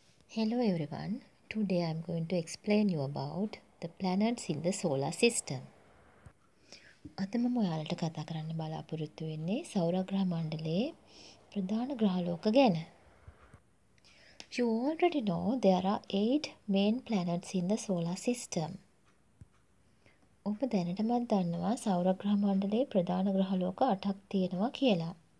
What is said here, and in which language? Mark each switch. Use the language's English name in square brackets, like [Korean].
[English] Hello everyone, today I am going to explain you about the planets in the solar system. [Sinhala] අදම මම ඔයාලට කතා කරන්න බලාපොරොත්තු වෙන්නේ සෞරග්‍රහ මණ්ඩලයේ ප්‍රධාන ග්‍රහලෝක ගැන. [English] You already know there are 8 main planets in the solar system. [Sinhala] ඔබ දැනටමත් දන්නවා සෞරග්‍රහ මණ්ඩලයේ ප්‍රධාන ග්‍රහලෝක 8ක් තියෙනවා කියලා.